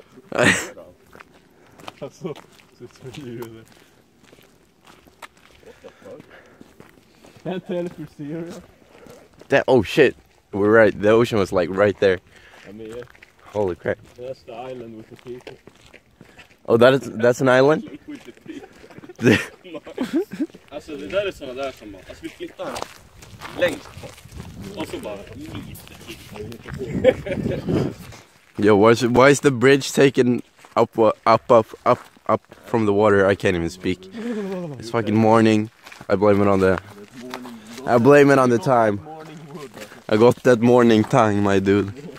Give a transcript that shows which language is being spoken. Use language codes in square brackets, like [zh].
[en] That's for you there. What the fuck? Can't tell if you're serious. That, oh shit, we're right, the ocean was like right there. I'm here. Holy crap. That's the island with the people. Oh, that's an island? With the people. [sv] Alltså, det där är såna där som bara, alltså vi flyttar längst bort. Och så bara, [en] yo, why is the bridge taken up from the water? I can't even speak. It's fucking morning. I blame it on the... I blame it on the time. I got that morning tang, my dude.